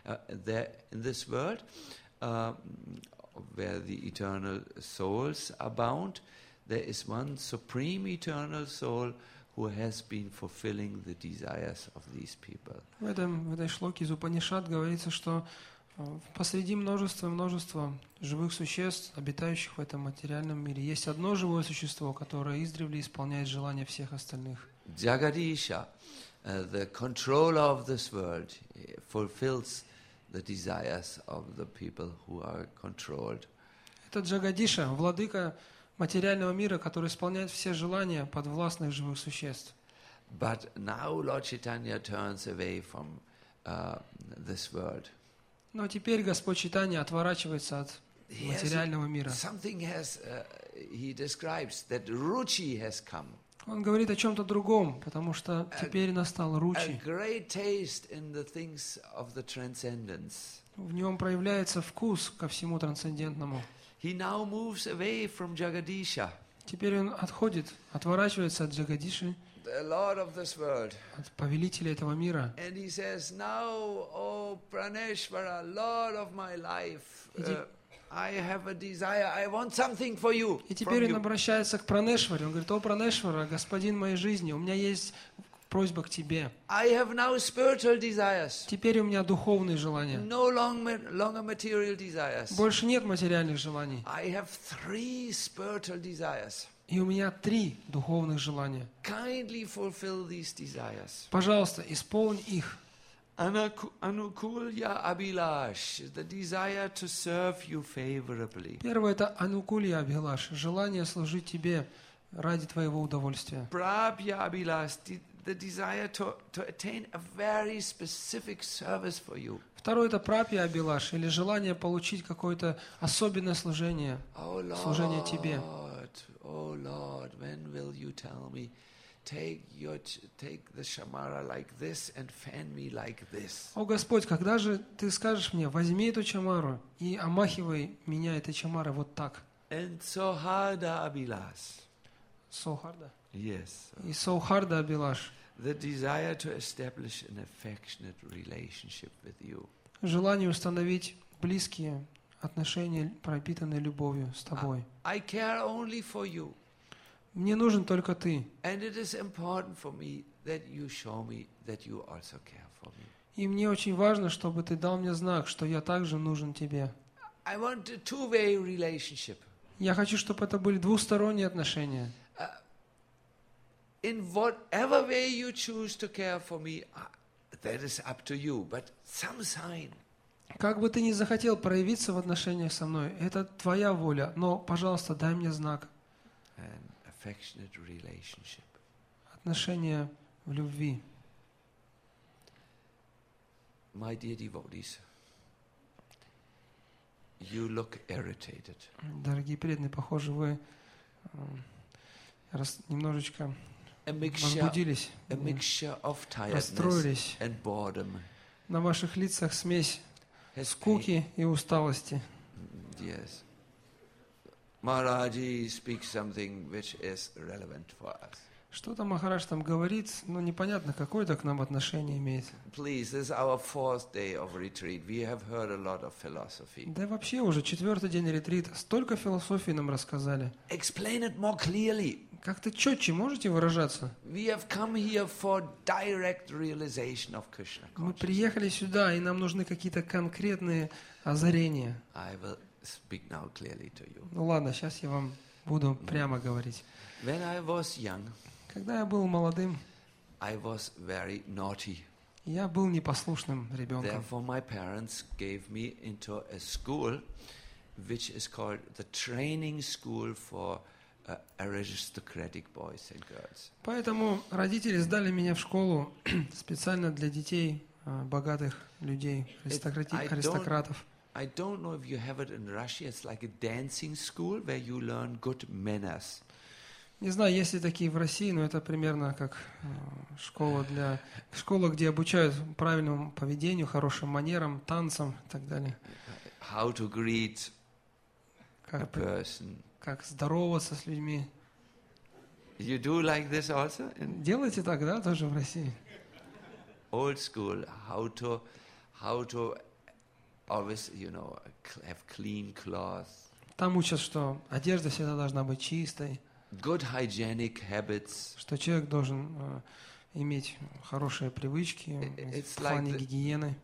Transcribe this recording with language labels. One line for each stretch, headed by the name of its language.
English: In this world, where the eternal souls are bound, there is one supreme eternal soul who has been fulfilling the desires of these people.
Russian: В этом, в этой шлоке из Упанишад говорится, что посреди множества и множества живых существ, обитающих в этом материальном мире, есть одно живое существо, которое издревле исполняет желания всех остальных.
English: Jagadisha, the controller of this world, fulfills the desires of the people who are controlled.
Russian: Это Джагадиша, владыка материального мира, который исполняет все желания подвластных живых существ.
English: But now Lord Chaitanya turns away from this world.
Russian: Но теперь Господь Чайтанья отворачивается от материального мира.
English: Something has he describes that ruchi has come.
Russian: Он говорит о чем-то другом, потому что теперь настал ручи.
English: A great taste in the things of the transcendence.
Russian: В нем проявляется вкус ко всему трансцендентному.
English: He now moves away from Jagadisha.
Russian: Теперь он отходит, отворачивается от Джагадиши.
English: The Lord of this world.
Russian: От повелителя этого мира.
English: And he says, "Now, O Praneshvara, Lord of my life, I have a desire. I want something for you."
Russian: И теперь он обращается к Пранешваре. Он говорит: "О Пранешвара, господин моей жизни, у меня есть просьба к тебе.
English: I have now spiritual desires.
Russian: Теперь у меня духовные желания.
English: No longer material desires.
Russian: Больше нет материальных желаний.
English: I have three spiritual desires.
Russian: И у меня три духовных желания.
English: Kindly fulfill these desires.
Russian: Пожалуйста, исполни их.
English: Anukulya Abhilash, the desire to serve you favorably.
Russian: Первое это Anukulya Abhilash, желание служить тебе ради твоего удовольствия.
English: Prabhya Abhilash, the desire to attain a very specific service for you.
Russian: Второе это Prabhya Abhilash, или желание получить какое-то особенное служение, служение тебе.
English: Oh Lord, when will you tell me? Take the shamara like this and fan me like this.
Russian: О Господь, когда же ты скажешь мне, возьми эту чамару и омахивай меня этой чамарой вот так.
English: And Sohardha Abhilash. Sohardha. Yes.
Russian: И Sohardha Abhilash.
English: The desire to establish an affectionate relationship with you.
Russian: Желание установить близкие отношения, пропитанные любовью с тобой.
English: I care only for you.
Russian: Мне нужен только ты.
English: And it is important for me that you show me that you also care for me.
Russian: И мне очень важно, чтобы ты дал мне знак, что я также нужен тебе.
English: I want a two-way relationship.
Russian: Я хочу, чтобы это были двусторонние отношения.
English: In whatever way you choose to care for me, that is up to you, but some sign.
Russian: Как бы ты ни захотел проявиться в отношениях со мной, это твоя воля, но, пожалуйста, дай мне знак.
English: Affectionate relationship.
Russian: Отношения в любви.
English: My dear devotees, you look irritated.
Russian: Дорогие преданные, похоже, вы немножечко возбудились, расстроились.
English: And boredom.
Russian: На ваших лицах смесь скуки и усталости.
English: Yes. Maharaji speaks something which is relevant for us.
Russian: Что-то Махарадж там говорит, но непонятно, какое это к нам отношение имеет.
English: Please, this is our fourth day of retreat. We have heard a lot of philosophy.
Russian: Да вообще уже четвертый день ретрита, столько философии нам рассказали.
English: Explain it more clearly.
Russian: Как-то четче можете выражаться?
English: We have come here for direct realization of Krishna consciousness.
Russian: Мы приехали сюда, и нам нужны какие-то конкретные озарения.
English: I will speak now clearly to you.
Russian: Ну ладно, сейчас я вам буду прямо говорить.
English: When I was young,
Russian: когда я был молодым,
English: I was very naughty.
Russian: Я был непослушным ребенком.
English: Therefore, my parents gave me into a school, which is called the training school for aristocratic boys and girls.
Russian: Поэтому родители сдали меня в школу специально для детей богатых людей, аристократов.
English: I don't know if you have it in Russia. It's like a dancing school where you learn good manners.
Russian: Не знаю, есть ли такие в России, но это примерно как школа, где обучают правильному поведению, хорошим манерам, танцам и так далее.
English: How to greet a person.
Russian: Как здороваться с людьми.
English: You do like this also?
Russian: Делаете так, да, тоже в России?
English: Old school. How to always, you know, have clean clothes.
Russian: Там учат, что одежда всегда должна быть чистой. Good hygienic habits. Что человек должен иметь хорошие привычки в плане гигиены.